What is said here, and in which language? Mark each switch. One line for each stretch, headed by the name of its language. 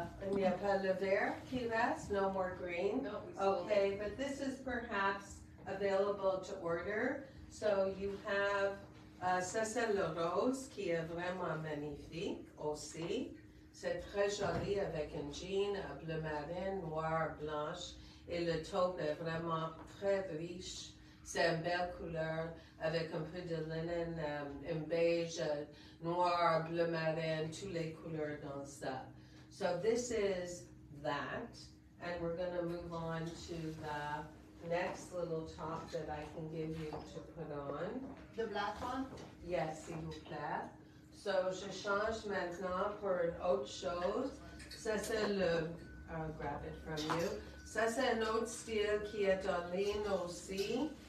French: Il n'y a pas le vert qui reste.
English: No more green. No, okay, but this is perhaps available to order. So you have,
French: ça c'est le rose qui est vraiment magnifique aussi. C'est très joli avec un jean bleu marine, noir, blanche. Et le taupe est vraiment très riche. C'est une belle couleur avec un peu de linen, un beige, noir, bleu marine, toutes les couleurs dans ça.
English: So this is that, and we're going to move on to the next little top that I can give you to put on. The black one?
French: Yes, s'il vous plaît. So je change maintenant pour une autre chose. Ça c'est le,
English: I'll grab it from you.
French: Ça c'est un autre style qui est en ligne aussi.